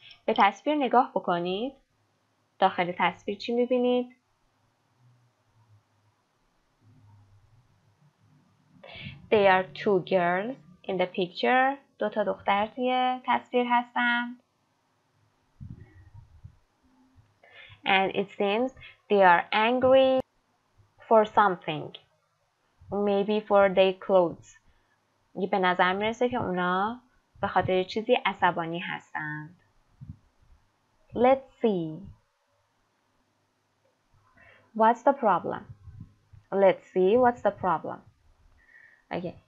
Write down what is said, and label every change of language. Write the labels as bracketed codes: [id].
[fa] به تصویر نگاه بکنید. داخل تصویر چی میبینید؟ [en] They are two girls in the picture. [fa] دو تا دختر توی تصویر هستن. [en] And it seems they are angry for something. Maybe for their clothes. [fa] یه به نظر میرسه که اونا به خاطر چیزی عصبانی هستند. [en] Let's see. What's the problem? Let's see what's the problem. Okay.